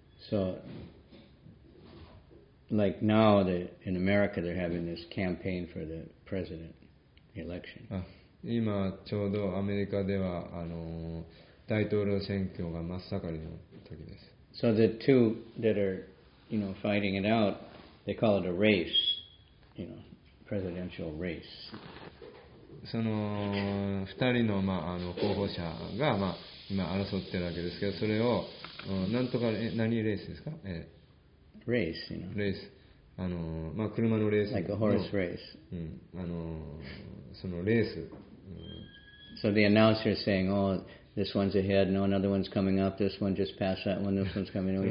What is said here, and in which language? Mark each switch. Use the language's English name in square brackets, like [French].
[English] So, like now that in America they're having this campaign for the president election. [Japanese] 今ちょうどアメリカでは大統領選挙が真っ盛りの時です。 [English] So the two that are, you know, fighting it out, they call it a race, you know. Presidential race. [Japanese] その二人 の,、まあ、候補者が、まあ、今争っているわけですけど、それを、なんとか何レースですか？ [English] レース、you know. [Japanese] レース、まあ、車のレース、 [English] like a horse race. [Japanese] うん、そのレース、 [English] So the announcer saying, oh, this one's ahead, no, another one's coming up, this one just passed that one, this one's coming up.